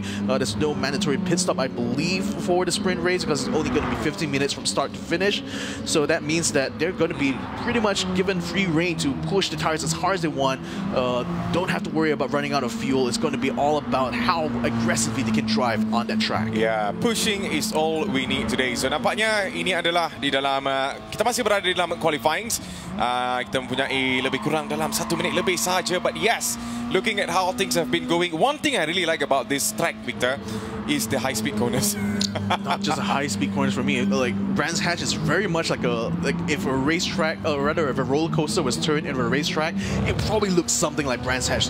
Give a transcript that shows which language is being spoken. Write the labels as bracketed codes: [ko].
[en] There's no mandatory pit stop, I believe, for the sprint race, because it's only going to be 15 minutes from start to finish. So that means that they're going to be pretty much given free rein to push the tires as hard as they want. Don't have to worry about running out of fuel. It's going to be all about how aggressively they can drive on that track. Yeah, pushing is all we need today. [ms] So nampaknya ini adalah di dalam, kita masih berada di dalam qualifying. Kita mempunyai lebih kurang dalam 1 minit lebih sahaja. [en] But yes, looking at how things have been going, one thing I really like about this track, Victor, is the high speed corners. Not just high speed corners for me. Like Brands Hatch is very much like if a roller coaster was turned into a racetrack, it probably looks something like Brands Hatch.